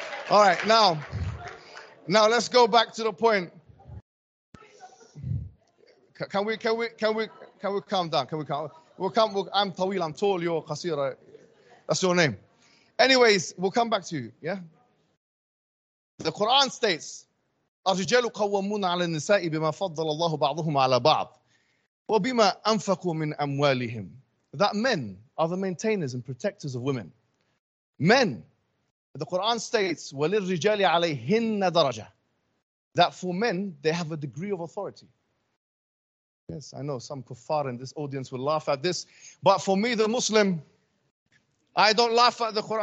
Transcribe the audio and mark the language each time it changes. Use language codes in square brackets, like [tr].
[en] All right, now let's go back to the point. Can we calm down? I'm Tawil, I'm tall, you're Qasira. That's your name. Anyways, we'll come back to you, yeah? The Quran states, [ar] الرجال قوامون على النساء بما فضل الله بعضهم على بعض وبما أنفقوا من أموالهم. [en] That men are the maintainers and protectors of women. Men, the Quran states, [ar] وللرجال عليهن درجة. [en] That for men, they have a degree of authority. Yes, I know some kuffar in this audience will laugh at this, but for me, the Muslim, I don't laugh at the Quran.